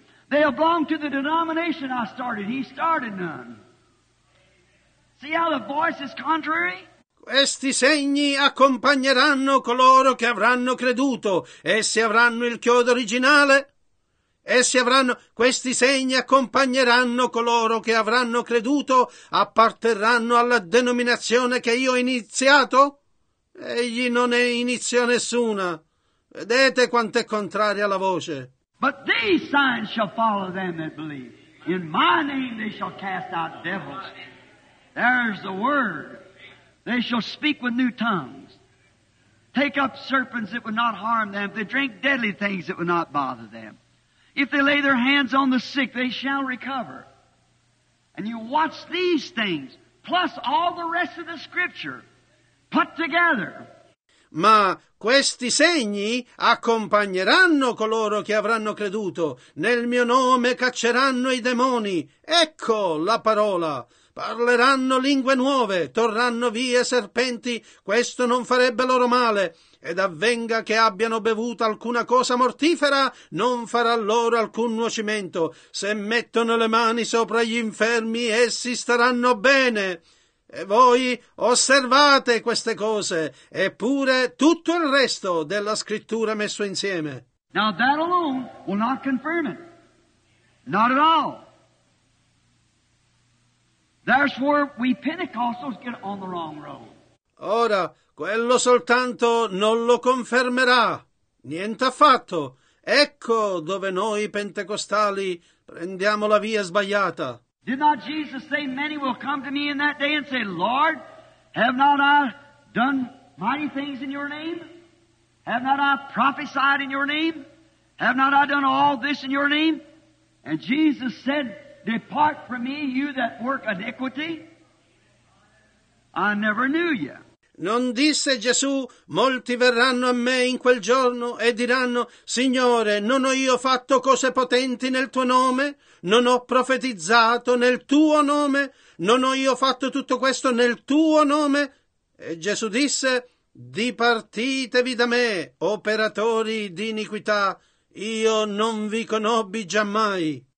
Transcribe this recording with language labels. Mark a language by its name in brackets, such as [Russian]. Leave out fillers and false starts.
[English] They belong to the denomination I started. He started none. See how the voice is contrary? [Italian] Questi segni accompagneranno coloro che avranno creduto. Essi avranno il chiodo originale. Questi segni accompagneranno coloro che avranno creduto. Apparterranno alla denominazione che io ho iniziato. Egli non ne inizia nessuna. Vedete quanto è contraria alla voce. [English] But these signs shall follow them that believe. In my name they shall cast out devils. There's the word. They shall speak with new tongues. Take up serpents that will not harm them. If they drink deadly things that will not bother them. If they lay their hands on the sick, they shall recover. And you watch these things, plus all the rest of the scripture, put together. [Italian] Ma questi segni accompagneranno coloro che avranno creduto. Nel mio nome cacceranno i demoni. Ecco la parola. Parleranno lingue nuove, torranno via serpenti. Questo non farebbe loro male. Ed avvenga che abbiano bevuto alcuna cosa mortifera, non farà loro alcun nuocimento. Se mettono le mani sopra gli infermi, essi staranno bene. E voi osservate queste cose, eppure tutto il resto della scrittura messo insieme. [English] Now that alone will not confirm it. Not at all. That's where we Pentecostals get on the wrong road. [Italian] Ora, quello soltanto non lo confermerà. Niente affatto. Ecco dove noi pentecostali prendiamo la via sbagliata. [English] Did not Jesus say many will come to me in that day and say, Lord, have not I done mighty things in your name? Have not I prophesied in your name? Have not I done all this in your name? And Jesus said, depart from me, you that work iniquity. I never knew you. [Italian] Non disse Gesù: molti verranno a me in quel giorno e diranno: Signore, non ho io fatto cose potenti nel tuo nome? Non ho profetizzato nel tuo nome? Non ho io fatto tutto questo nel tuo nome? E Gesù disse: dipartitevi da me, operatori di iniquità, io non vi conobbi giammai.